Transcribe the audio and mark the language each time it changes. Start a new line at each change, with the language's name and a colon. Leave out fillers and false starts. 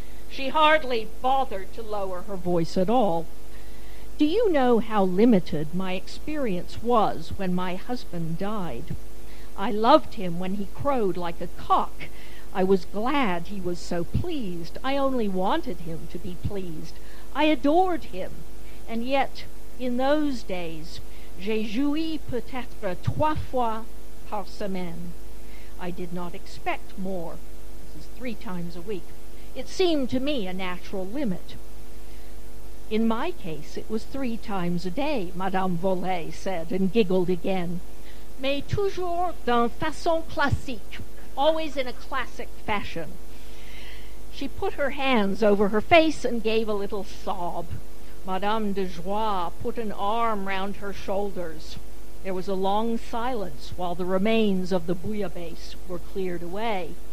English: She hardly bothered to lower her voice at all. Do you know how limited my experience was when my husband died? I loved him when he crowed like a cock. I was glad he was so pleased. I only wanted him to be pleased. I adored him. And yet, in those days,
French: j'ai joui peut-être trois fois par semaine.
English: I did not expect more. This is three times a week. It seemed to me a natural limit. In my case, it was three times a day, Madame Volet said and giggled again.
French: Mais toujours d'une façon classique.
English: Always in a classic fashion. She put her hands over her face and gave a little sob. Madame de Joie put an arm round her shoulders. There was a long silence while the remains of the bouillabaisse were cleared away.